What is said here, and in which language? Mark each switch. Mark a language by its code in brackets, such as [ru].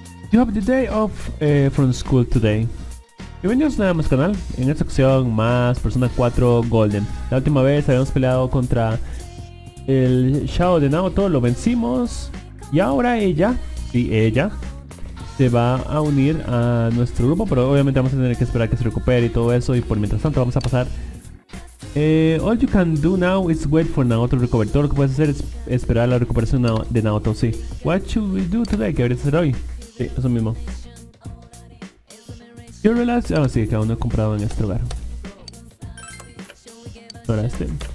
[en] You have the day off from school today. [es] Bienvenidos nada más canal, en esta ocasión más Persona 4 Golden. La última vez habíamos peleado contra el Shao de Naoto, lo vencimos. Y ahora ella, sí, ella, se va a unir a nuestro grupo. Pero obviamente vamos a tener que esperar que se recupere y todo eso. Y por mientras tanto vamos a pasar. [en] All you can do now is wait for Naoto recover. [es] Todo lo que puedes hacer es esperar la recuperación de Naoto, sí. [en] What should we do today? [es] ¿Qué deberías hacer hoy? Sí, eso mismo. [en] Yo realize... [es] Ah, sí, que aún no he comprado en este lugar. Ahora este.